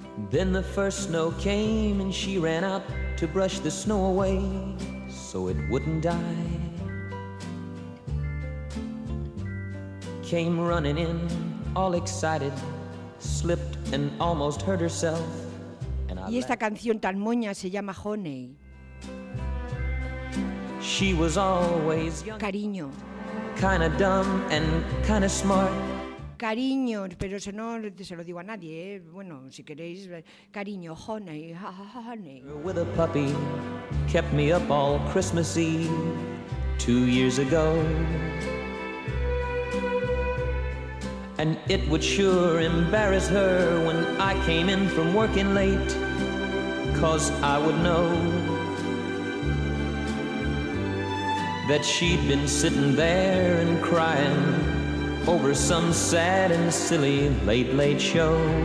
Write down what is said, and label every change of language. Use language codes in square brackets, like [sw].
[en] Then the first snow came and she ran out to brush the snow away so it wouldn't die. Came running in all excited, slipped and almost hurt herself, [es] Y esta canción tan moña se llama Honey. [en] She was always young. [es] Cariño. [en] Kinda dumb and kinda smart. [es] Cariño, pero eso no se lo digo a nadie, ¿eh? Bueno, si queréis, cariño, honey, honey. [en] With a puppy, kept me up all Christmas Eve, 2 years ago. And it would sure embarrass her when I came in from working late, 'cause I would know that she'd been sitting there and crying over some sad and silly late late show.